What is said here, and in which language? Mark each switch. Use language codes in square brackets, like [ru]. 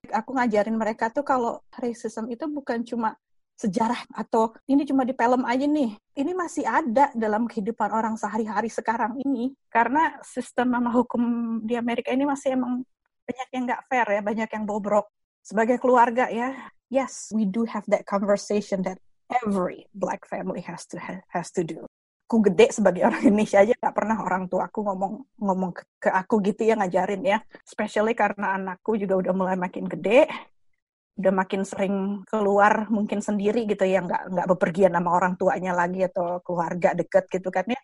[id] Aku ngajarin mereka tuh kalau racism itu bukan cuma sejarah atau ini cuma di film aja nih. Ini masih ada dalam kehidupan orang sehari-hari sekarang ini. Karena sistem sama hukum di Amerika ini masih emang banyak yang gak fair ya. Banyak yang bobrok. Sebagai keluarga ya. [en] Yes, we do have that conversation that every black family has to do. [id] Aku gede sebagai orang Indonesia aja gak pernah orang tuaku ngomong ke aku gitu ya, ngajarin ya. Especially karena anakku juga udah mulai makin gede. Udah makin sering keluar mungkin sendiri gitu ya, nggak bepergian sama orang tuanya lagi atau keluarga deket gitu kan ya.